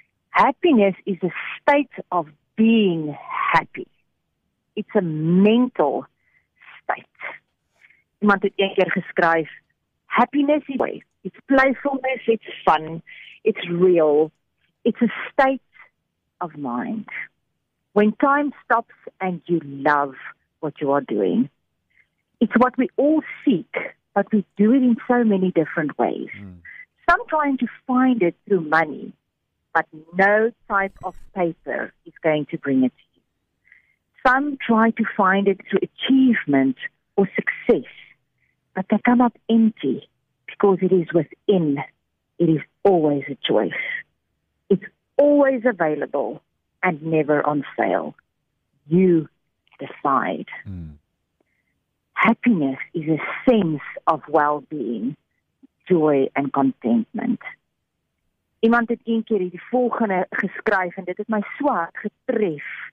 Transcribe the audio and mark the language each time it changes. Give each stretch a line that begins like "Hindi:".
English: Happiness is a state of being happy. It's a mental state.
Afrikaans: Iemand het een keer geskryf,
English: happiness is a choice. It's playfulness, it's fun, it's real, it's a state of mind. When time stops and you love what you are doing, it's what we all seek, but we do it in so many different ways. Mm. Some trying to find it through money, but no type of paper is going to bring it to you. Some try to find it through achievement or success, but they come up empty. Because it is within, it is always a choice. It's always available and never on sale. You decide. Mm. Happiness is a sense of well-being, joy and contentment.
Afrikaans: Iemand het een keer die volgende geskryf en dit het my so hard getref.